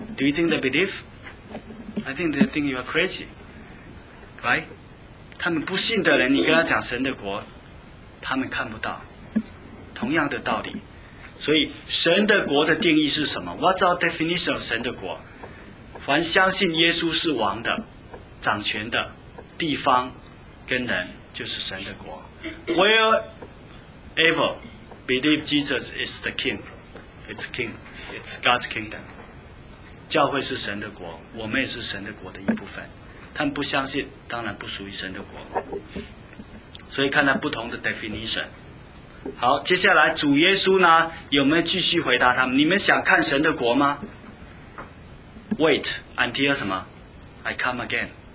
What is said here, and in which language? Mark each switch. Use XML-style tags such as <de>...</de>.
<en>Do you think they believe? I think they think you are crazy, right?</en> <zh>他们不信的人，你跟他讲神的国，他们看不到。同样的道理，所以神的国的定义是什么？</zh> <en>What's our definition of</en> <zh>神的国？凡相信耶稣是王的、掌权的地方跟人，就是神的国。</zh> <en>Wherever believe Jesus is the King, it's King, it's God's kingdom.</en> <zh>教会是神的国，我们也是神的国的一部分。他们不相信，当然不属于神的国。所以看到不同的 definition。好，接下来主耶稣呢，有没有继续回答他们？你们想看神的国吗 ？</zh> <en>Wait until</en> <zh>什么 ？</zh> <en>I come again。</en>